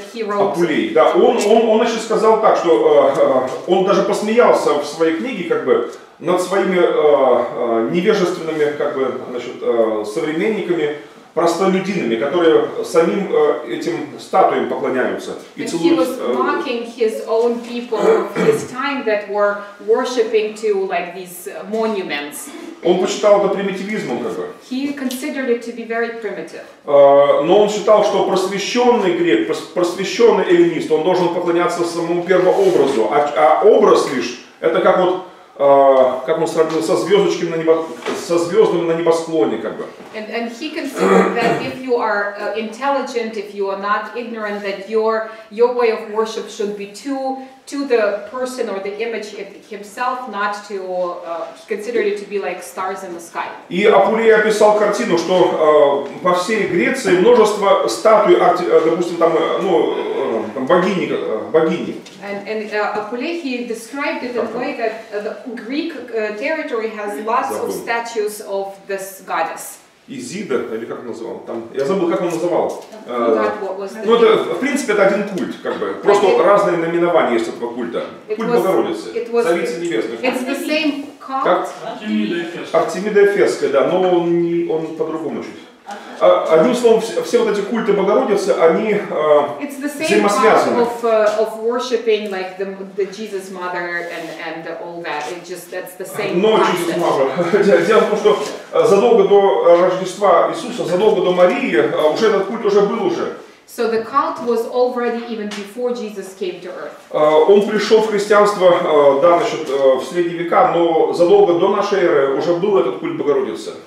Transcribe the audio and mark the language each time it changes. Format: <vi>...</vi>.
<ru>Апулей, да, он еще сказал так, что он даже посмеялся в своей книге, как бы, над своими невежественными, как бы, значит, современниками, простолюдинами, которые самим этим статуям поклоняются и</ru> <en>and</en> <ru>целуют.</ru> <en>He was mocking his own people of his time that were worshiping to like these monuments.</en> <ru>Он посчитал это примитивизмом, как бы.</ru> <en>He considered it to be very primitive.</en> <ru>Но он считал, что просвещенный грек, просвещенный эллинист, он должен поклоняться самому первообразу, а образ лишь это как вот. Как он сравнил со звездочками на небо, со звездами на небосклоне, как бы.</ru> <en>And he considered that if you are intelligent, if you are not ignorant, that your way of worship should be to the person or the image himself, not to he considered it to be like stars in the sky.</en> <ru>И Апулей описал картину, что по всей Греции множество статуй, допустим, там, ну, там богини.</ru> <en>And Apuley, he described it in a way that the Greek territory has lots of statues of this goddess.</en> <ru>Изида, или как он называл? Там, я забыл, как он называл.</ru> <en>Well,</en> <ru>ну, это, в принципе, это один культ, как бы. Просто</ru> <en>it,</en> <ru>разные наименования есть этого культа. Культ</ru> <en>was,</en> <ru>Богородицы, Царицы Небесной.</ru> <en>It's the same cult.</en> <ru>Артемида Эфесская, да, но он по-другому чуть. Одним словом, все вот эти культы Богородицы, они взаимосвязаны.</ru> <en>Of worshiping like the Jesus Mother and all that. It just that's the same.</en> <ru>Но</ru> <en>Jesus Mother.</en> <ru>Дело в том, что задолго до Рождества Иисуса, задолго до Марии, уже этот культ уже был уже.</ru> <en>So the cult was already even before Jesus came to earth.</en> <ru>Он пришел в христианство, да, значит, в средние века, но задолго до нашей эры уже был этот культ Богородицы.</ru>